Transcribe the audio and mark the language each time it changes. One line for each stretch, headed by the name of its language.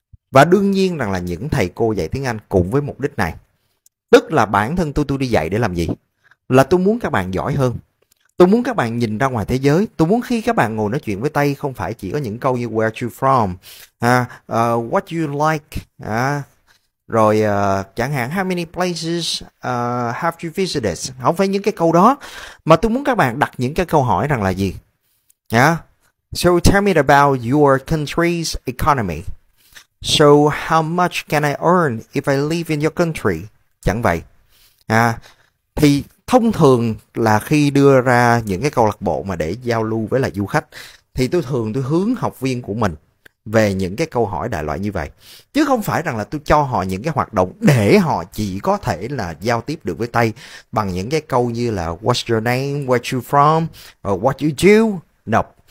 Vietnamese: Và đương nhiên rằng là những thầy cô dạy tiếng Anh cùng với mục đích này, tức là bản thân tôi đi dạy để làm gì, là tôi muốn các bạn giỏi hơn, tôi muốn các bạn nhìn ra ngoài thế giới, tôi muốn khi các bạn ngồi nói chuyện với Tây không phải chỉ có những câu như
English: where you from, what you like,
Vietnamese: rồi chẳng hạn
English: how many places have you visited,
Vietnamese: không phải những cái câu đó, mà tôi muốn các bạn đặt những cái câu hỏi rằng là gì.
English: So tell me about your country's economy. So how much can I earn if I live in your country?
Vietnamese: Chẳng vậy. Thì thông thường là khi đưa ra những cái câu lạc bộ mà để giao lưu với lại du khách, thì tôi thường tôi hướng học viên của mình về những cái câu hỏi đại loại như vậy, chứ không phải rằng là tôi cho họ những cái hoạt động để họ chỉ có thể là giao tiếp được với Tây bằng những cái câu như là
English: what's your name, where you from, what you do. No.